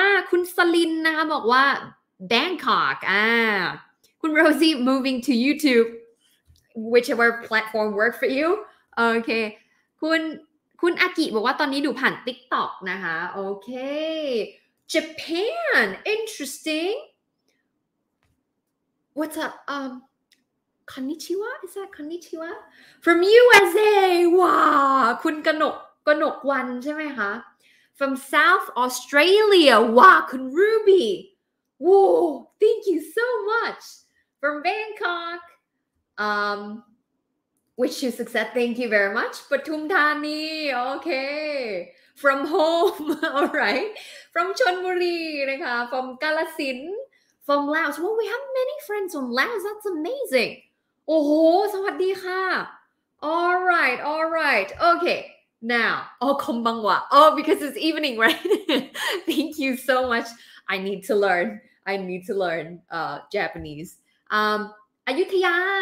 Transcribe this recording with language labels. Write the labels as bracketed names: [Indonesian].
[Thai] คุณสลินนะคะบอกว่า Bangkok. [English] คุณ Rosie moving to YouTube. Whichever platform work for you. Okay. [Thai] คุณอากิบอกว่าตอนนี้ดูผ่าน TikTok นะคะโอเค [English] Japan interesting what's up konnichiwa is that konnichiwa from USA wow คุณกนกวัน [Thai] ใช่ไหมคะ [English] from South Australia wow คุณ Ruby whoa thank you so much from Bangkok Wish you success. Thank you very much. ปทุมธานี okay. From home, all right. From ชลบุรีนะคะ From กาฬสินธุ์ From Laos. Well, we have many friends from Laos. That's amazing. Oh, [Thai] สวัสดีค่ะ [English] All right. Okay. Now, คอมบังวะ. Oh, because it's evening, right? Thank you so much. I need to learn Japanese. Ayutthaya.